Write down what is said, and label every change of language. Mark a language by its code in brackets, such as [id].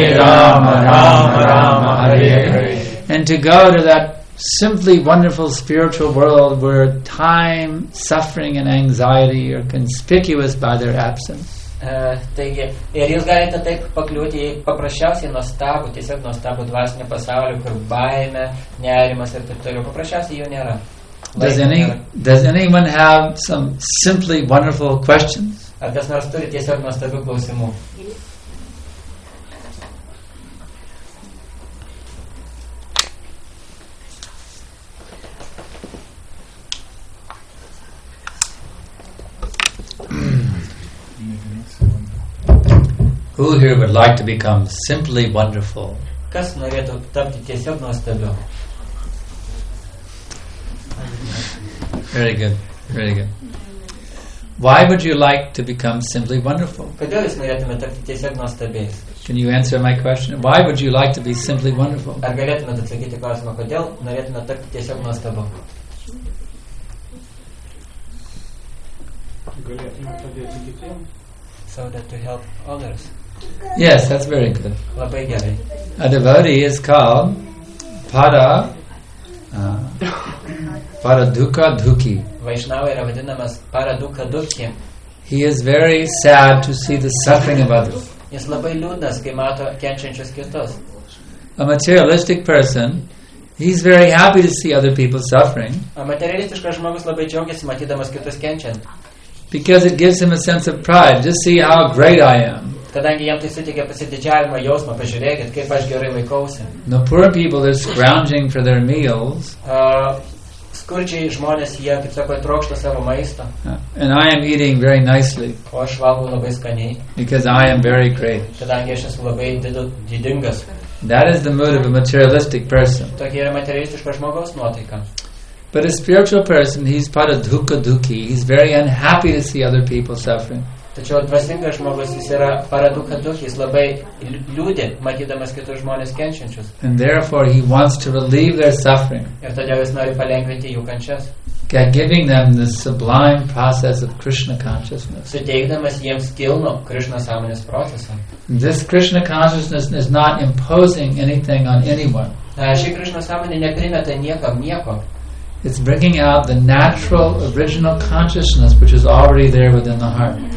[en] Rama Rama, Hare Hare, and to go to that simply wonderful spiritual world where time, suffering, and anxiety are conspicuous by their absence. [lt] Taigi, ir jūs galite taip pakliūti į paprasčiausiai nuostabų, tiesiog nuostabų dvasinį pasaulį, kur baimė, nerimas ir taip toliau. Paprasčiausiai jų nėra. [en] Does anyone have some simply wonderful questions? [lt] Ar kas nors turi tiesiog nuostabių klausimų? [en] Who here would like to become simply wonderful? [lt] Kas norėtų tapti tiesiog nuostabiu? [en] Very good. Why would you like to become simply wonderful? [lt] Kodėl jūs norėtumėte tapti tiesiog nuostabiais? [en] Can you answer my question? Why would you like to be simply wonderful? [lt] Ar galėtumėte atsakyti klausimą, kodėl norėtumėte tapti tiesiog nuostabiu? [en] So that to help others. Yes, that's very good. [lt] Labai gerai. [en] A devotee is called para paraduka dukhi. [lt] Vaishnava yra vadinamas paraduka dukhi. [en] He is very sad to see the suffering of others. [lt] Jis labai liūdnas, kai mato kenčiančius kitus. [en] A materialistic person, he's very happy to see other people suffering. [lt] A materialistiškas žmogus labai džiaugiasi matydamas kitus kenčiant. [en] Because it gives him a sense of pride. Just see how great I am. [lt] Kadangi jam tai suteikia pasididžiavimo jausmą, pažiūrėkit, kaip aš gerai laikausi. [en] The poor people are scrounging for their meals. [lt] Skurdžiai žmonės, jie, kaip sako, trokšta savo maisto. [en] And I am eating very nicely. [lt] O aš valgau labai skaniai. [en] Because I am very great. [lt] Kadangi aš esu labai didingas. [en] That is the mood of a materialistic person. [lt] Tokia yra materialistiško žmogaus nuotaika. [en] But a spiritual person, he's part of dukkha dukhi. He's very unhappy to see other people suffering. [lt] Tačiau dvasingas žmogus, jis yra paradukha dukhi, jis labai liūdė, matydamas kitus žmonės kenčiančius. [en] And therefore he wants to relieve their suffering. [lt] Ir todėl jis nori palengvinti jų kančias. [en] By giving them the sublime process of Krishna consciousness. [lt] Suteikdamas jiems kilnų Krishna sąmonės procesą. [en] This Krishna consciousness is not imposing anything on anyone. [lt] Ši Krishna sąmonė neprimeta niekam nieko. [en] It's bringing out the natural, original consciousness which is already there within the heart.